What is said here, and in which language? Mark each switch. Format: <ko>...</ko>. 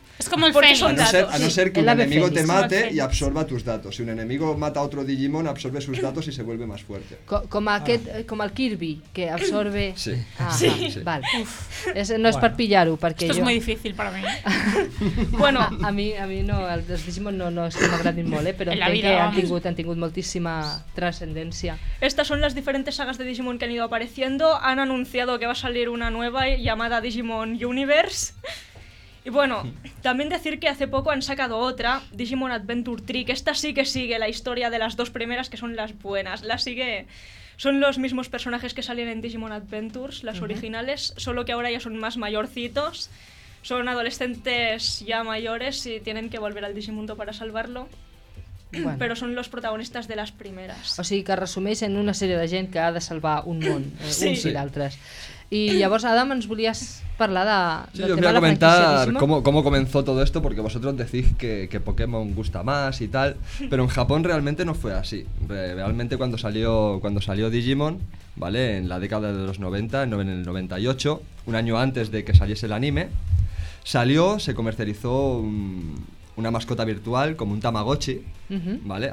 <es>Es como el Fénix. A no ser que un enemigo te mate y absorba tus datos. Si un enemigo mata a otro Digimon, absorbe sus datos y se vuelve más fuerte. Como el Kirby, que absorbe... Sí. Vale. Es para pillar-ho, porque esto es muy difícil para mí. Bueno, a mí no,</es> <ca>els Digimon no es que m'agradin molt, però entenc que han tingut moltíssima transcendència.</ca> <es>Estas son las diferentes sagas de Digimon que han ido apareciendo. Han anunciado que va a salir una nueva llamada Digimon Universe. Y bueno, también decir que hace poco han sacado otra, Digimon Adventure 3, que esta sí que sigue la historia de las dos primeras, que son las buenas. Son los mismos personajes que salían en Digimon Adventures, las originales, solo que ahora ya son más mayorcitos. Son adolescentes ya mayores y tienen que volver al Digimundo para salvarlo. Bueno. Pero son los protagonistas de las primeras.</es> <ca>O sigui que resumeix en una sèrie de gent que ha de salvar un món, uns i d'altres. Y llavors, Adam, ens volies parlar de...</ca> <es>Sí, yo voy a comentar cómo comenzó todo esto, porque vosotros decís que Pokémon gusta más y tal, pero en Japón realmente no fue así. Realmente cuando salió Digimon, ¿vale? En la década de los 90, en el 98, un año antes de que saliese el anime, se comercializó una mascota virtual como un Tamagotchi, ¿vale?</es>